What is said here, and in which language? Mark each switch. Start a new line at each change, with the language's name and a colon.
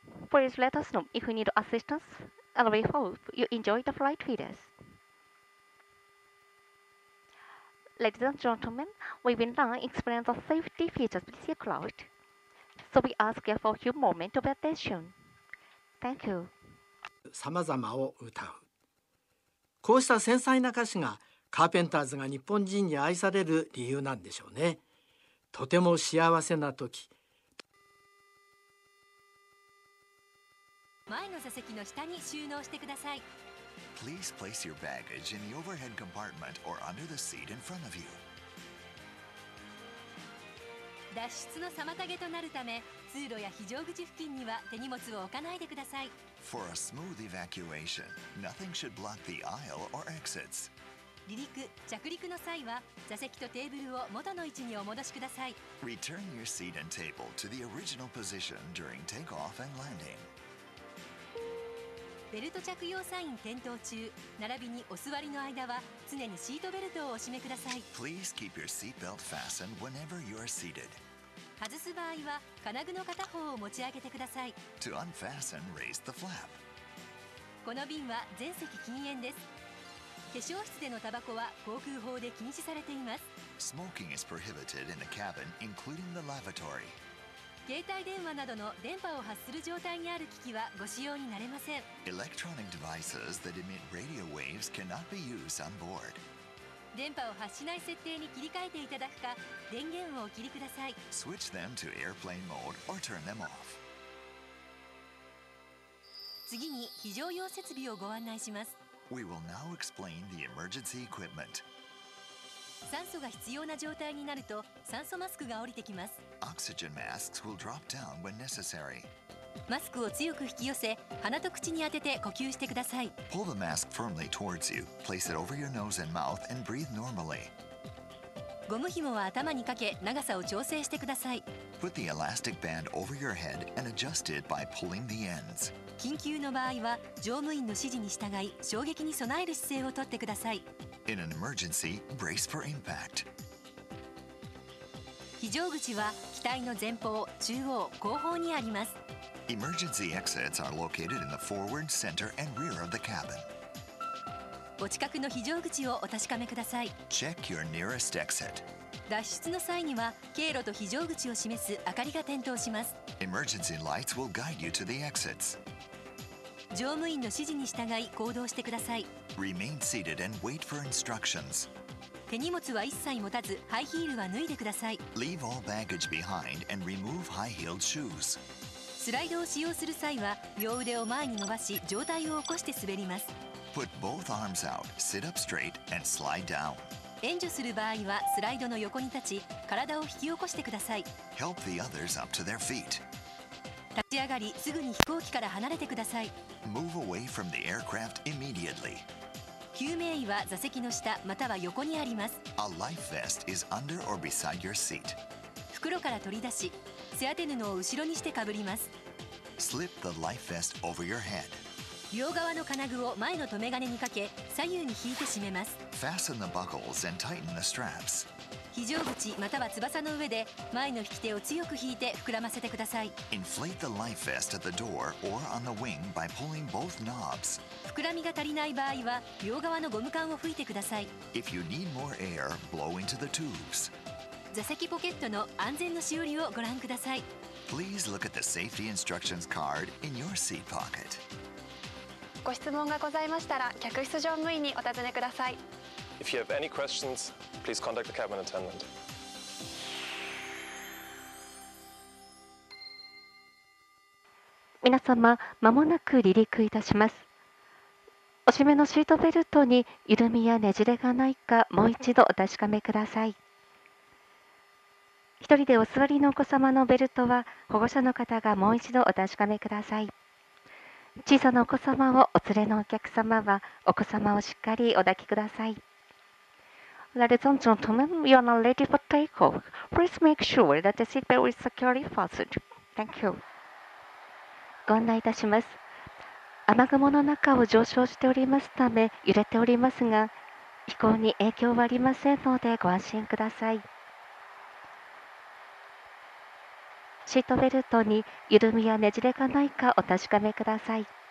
English: Please let us know if you need assistance, and we hope you enjoy the flight with us. Ladies and gentlemen, we will now explain the safety features of this aircraft. So we ask you for a few moments of attention. Thank you.
Japanese: さまざまを歌う。こうした繊細な歌詞がカーペンターズが日本人に愛される理由なんでしょうね。とても幸せな時。前の座席の下に収納してください。
English: Please place your baggage in the overhead compartment or under the seat in front of you.
Japanese: 脱出の妨げとなるため、通路や非常口付近には手荷物を置かないでください。
English: For a smooth evacuation, nothing should block the aisle or exits.
Japanese: 離陸、着陸の際は座席とテーブルを元の位置にお戻しください。
English: Return your seat and table to the original position during takeoff and landing.
Japanese: ベルト着用サイン点灯中、並びにお座りの間は常にシートベルトをお締めください。
English: Please keep your seatbelt fastened whenever you are seated.
Japanese: 外す場合は金具の片方を持ち上げてください。
English: To unfasten, raise the flap.
Japanese: この便は全席禁煙です。化粧室でのタバコは航空法で禁止されています。
English: Smoking is prohibited in the cabin, including the lavatory.
Japanese: 携帯電話などの電波を発する状態にある機器はご使用になれません。
English: Electronic devices that emit radio waves cannot be used on board.
Japanese: 電波を発しない設定に切り替えていただくか、電源をお切りください。
English: Switch them to airplane mode or turn them off.
Japanese: 次に非常用設備をご案内します。
English: We will now explain the emergency equipment.
Japanese: 酸素が必要な状態になると酸素マスクが降りてきます。
English: Oxygen masks will drop down when necessary.
Japanese: マスクを強く引き寄せ鼻と口に当てて呼吸してください。
English: Pull the mask firmly towards you. Place it over your nose and mouth and breathe normally.
Japanese: ゴム紐は頭にかけ長さを調整してください。
English: Put the elastic band over your head and adjust it by pulling the ends.
Japanese: 緊急の場合は乗務員の指示に従い衝撃に備える姿勢をとってください。
English: In an emergency, brace for impact.
Japanese: 非常口は機体の前方、中央、後方にあります。
English: Emergency exits are located in the forward, center, and rear of the cabin.
Japanese: お近くの非常口をお確かめください。
English: Check your nearest exit.
Japanese: 脱出の際には経路と非常口を示す明かりが点灯します。
English: Emergency lights will guide you to the exits.
Japanese: 乗務員の指示に従い行動してください。
English: Remain seated and wait for instructions.
Japanese: 手荷物は一切持たずハイヒールは脱いでください。
English: Leave all baggage behind and remove high-heeled shoes.
Japanese: スライドを使用する際は両腕を前に伸ばし上体を起こして滑ります。
English: Put both arms out, sit up straight and slide down.
Japanese: 援助する場合はスライドの横に立ち体を引き起こしてください。
English: Help the others up to their feet.
Japanese: 立ち上がりすぐに飛行機から離れてください。
English: Move away from the aircraft immediately.
Japanese: 救命衣は座席の下または横にあります。
English: A life vest is under or beside your seat.
Japanese: 袋から取り出し背当て布を後ろにしてかぶります。
English: Slip the life vest over your head.
Japanese: 両側の金具を前の留め金にかけ左右に引いて締めます。
English: Fasten the buckles and tighten the straps.
Japanese: 非常口または翼の上で前の引き手を強く引いて膨らませてください。
English: Inflate the life vest at the door or on the wing by pulling both knobs.
Japanese: 膨らみが足りない場合は両側のゴム管を吹いてください。
English: If you need more air, blow into the tubes.
Japanese: 座席ポケットの安全のしおりをご覧ください。
English: Please look at the safety instructions card in your seat pocket.
Japanese: ご質問がございましたら客室乗務員にお尋ねください。
English: If you have any questions, please contact the cabin attendant.
Japanese: みなさま、まもなく離陸いたします。お締めのシートベルトに緩みやねじれがないか、もう一度お確かめください。一人でお座りのお子様のベルトは、保護者の方がもう一度お確かめください。小さなお子様をお連れのお客様は、お子様をしっかりお抱きください。
English: Ladies and gentlemen, you are now ready for takeoff. Please make sure that the seat belt is securely fastened. Thank you.
Japanese: ご案内いたします。雨雲の中を上昇しておりますため揺れておりますが、飛行に影響はありませんのでご安心ください。シートベルトに緩みやねじれがないかお確かめください。